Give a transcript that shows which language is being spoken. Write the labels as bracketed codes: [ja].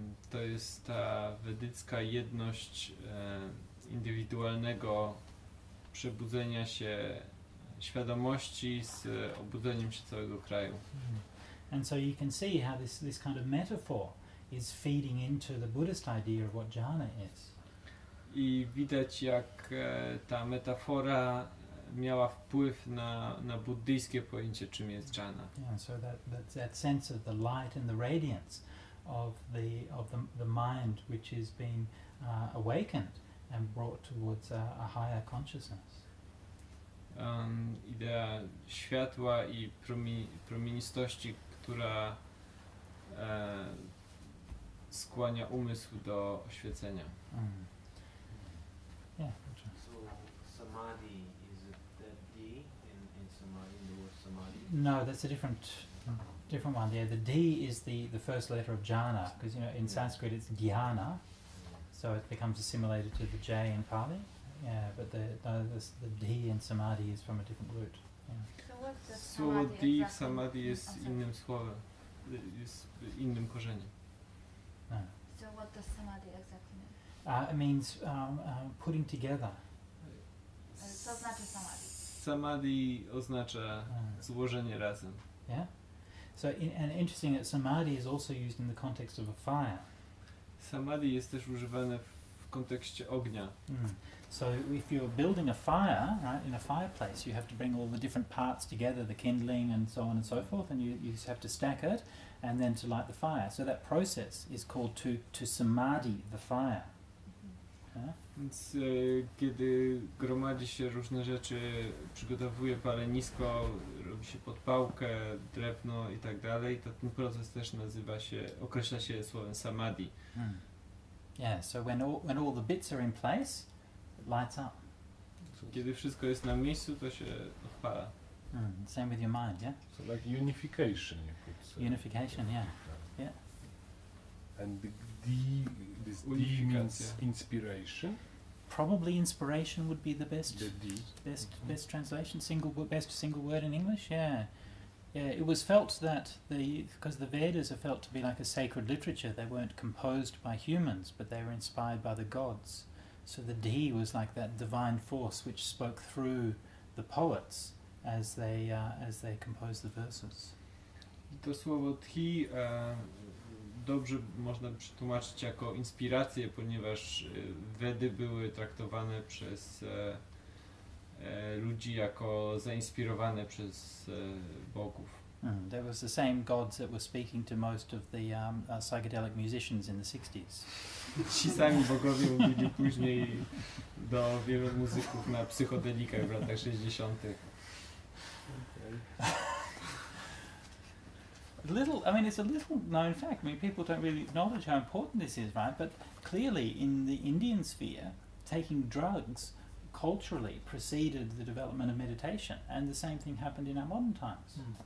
[pl] To jest ta wedycka jedność indywidualnego przebudzenia się świadomości z obudzeniem się całego kraju. [en] And so you can see how this kind of metaphor is feeding into the Buddhist idea of what jhana is. [pl] I widać, jak ta metafora miała wpływ na buddyjskie pojęcie, czym jest jhana. [en] Yeah, so that sense of the light and the radiance of the mind which is being awakened and brought towards a higher consciousness. [pl] Idea światła i promienistości, która skłania umysł do oświecenia. Mm. Yeah. [en] So samadhi, is it that D in samadhi, in the word samadhi? No, that's a different one. Yeah, the D is the first letter of jhana, because you know in Sanskrit it's dhyana. So it becomes assimilated to the J in Pali, yeah. But the D in Samadhi is from a different root. Yeah. So what D in Samadhi is [pl] innym słowem, [en] is [pl] innym korzeniem. No. [en] So what does Samadhi exactly mean? It means putting together. [pl] Co znaczy Samadhi? Samadhi oznacza złożenie razem. Yeah. [en] So and interesting that Samadhi is also used in the context of a fire. [pl] Samadhi jest też używane w kontekście ognia. Mm. [en] So if you're building a fire, right, in a fireplace, you have to bring all the different parts together, the kindling and so on and so forth, and you just have to stack it and then to light the fire. So that process is called to samadhi the fire. [pl] Więc kiedy gromadzi się różne rzeczy, przygotowuje palenisko, robi się podpałkę, drewno i tak dalej, to ten proces też określa się słowem samadhi. Hmm. [en] Yeah, so when all the bits are in place, it lights up. [pl] Kiedy wszystko jest na miejscu, to się odpala. Hmm. [en] Same with your mind, yeah? So like unification. Unification, yeah. And this D means inspiration. Probably inspiration would be the best translation. Best single word in English. Yeah, yeah. It was felt that because the Vedas are felt to be like a sacred literature. They weren't composed by humans, but they were inspired by the gods. So the D was like that divine force which spoke through the poets as they composed the verses. [pl] To słowo dhi dobrze można przetłumaczyć jako inspirację, ponieważ w Wedy były traktowane przez ludzi jako zainspirowane przez bogów. [en] Mm, there was the same gods that were speaking to most of the psychedelic musicians in the 60s. [pl] Ci sami bogowie mówili później do wielu muzyków na psychodelikach w latach 60. [en] Little, I mean, it's a little known fact. I mean, people don't really acknowledge how important this is, right? But clearly, in the Indian sphere, taking drugs culturally preceded the development of meditation, and the same thing happened in our modern times.